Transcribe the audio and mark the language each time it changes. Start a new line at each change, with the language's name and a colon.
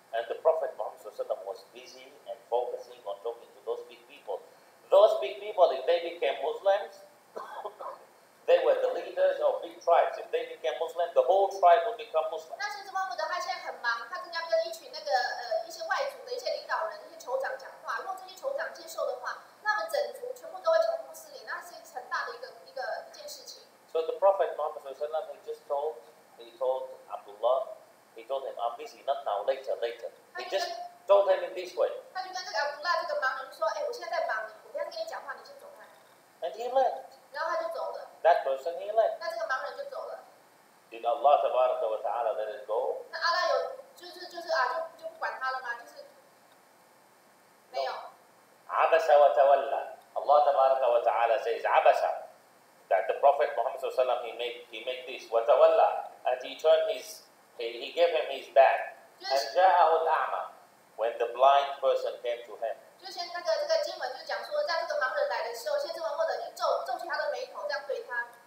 English: And the Prophet Muhammad was busy and focusing on talking to those big people. Those big people, if they became Muslims, they were the leaders of big tribes. If they became Muslim, the whole tribe would become Muslim.
Chinese: 那先知穆罕默德他现在很忙，他正在跟一群那个一些外族的一些领导人、一些酋长讲话。如果这些酋长接受的话，那么整族全部都会成为穆斯林，那是很大的一件事情。
English: So the Prophet Muhammad just told, he told Abdullah, he told him, I'm busy, not now, later. He just told him in this way.
Chinese: 他就跟这个 Abdullah 这个盲人说，哎，我现在在忙，我不要跟你讲话，你先走开。
English: And he left. That person he left.
Chinese: 那这个盲人就走了。
English: Did Allah Tabaraka wa Taala let it go?
Chinese: 那阿拉有就不管他了吗？就是、
English: no.
Chinese: 没有。
Arabic: عبس وتولى.
English: Allah Tabaraka wa Taala says عبس. That the Prophet Muhammad sallallahu alaihi wasallam he made this وتولى and he turned his he gave him his back. And
Arabic: جاءه الأعمى
English: when the blind person came to him.
Chinese: 就先这个经文就讲说，在这个盲人来的时候，先知穆罕默德就皱起他的眉头，这样对他。